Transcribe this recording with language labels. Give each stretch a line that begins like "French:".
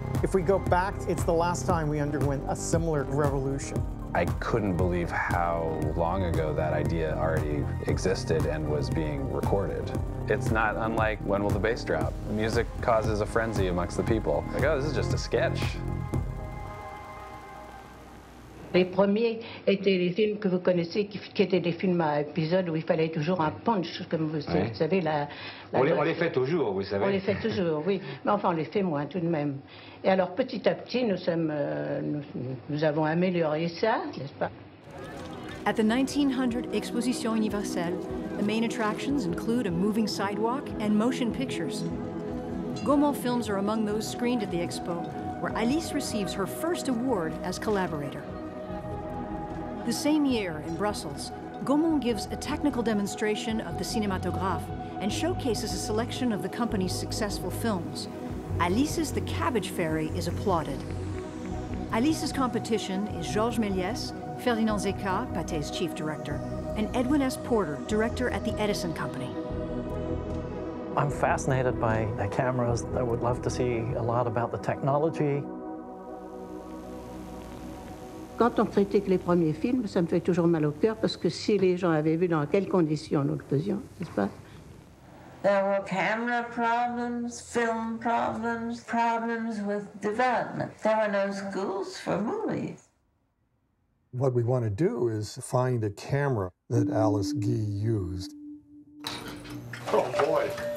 English: If we go back, it's the last time we underwent a similar revolution. I couldn't believe how long ago that idea already existed and was being recorded. It's not unlike When Will the Bass Drop? Music causes a frenzy amongst the people. Like, oh, this is just a sketch.
French: Les premiers étaient les films que vous connaissez, qui étaient des films à épisodes où il fallait toujours un punch, comme vous, oui. vous savez. On les fait toujours, vous savez. On les fait toujours, oui. Mais enfin, on les fait moins tout de même. Et alors, petit à petit, nous avons amélioré ça, n'est-ce pas?
English: At the 1900 Exposition Universelle, the main attractions include a moving sidewalk and motion pictures. Gaumont films are among those screened at the Expo, where Alice receives her first award as collaborator. The same year, in Brussels, Gaumont gives a technical demonstration of the cinematographe and showcases a selection of the company's successful films. Alice's The Cabbage Fairy is applauded. Alice's competition is Georges Méliès, Ferdinand Zeka, Pathé's chief director, and Edwin S. Porter, director at the Edison Company. I'm fascinated by the cameras. I would love to see a lot about the technology.
French: Quand on critique les premiers films, ça me fait toujours mal au cœur parce que si les gens avaient vu dans quelles conditions nous le faisions, n'est-ce pas?
English: There were camera problems, film problems, problems with development. There were no schools for movies. What we want to do is find a camera that Alice Guy used. Oh boy.